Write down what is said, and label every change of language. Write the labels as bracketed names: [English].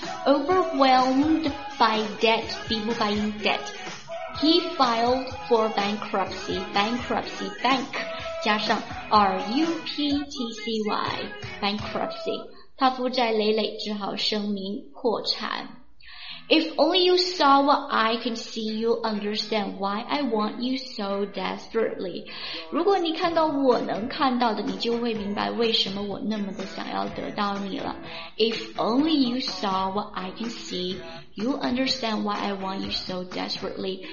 [English] Overwhelmed by debt, [Chinese] 逼不发音 [English] debt. He filed for bankruptcy. Bankruptcy, bank 加上 R-U-P-T-C-Y, bankruptcy. [Chinese] 他负债累累，只好声明破产。 [English] If only you saw what I can see, you'll understand why I want you so desperately. [Chinese] 如果你看到我能看到的，你就会明白为什么我那么的想要得到你了。 [English] If only you saw what I can see, you'll understand why I want you so desperately.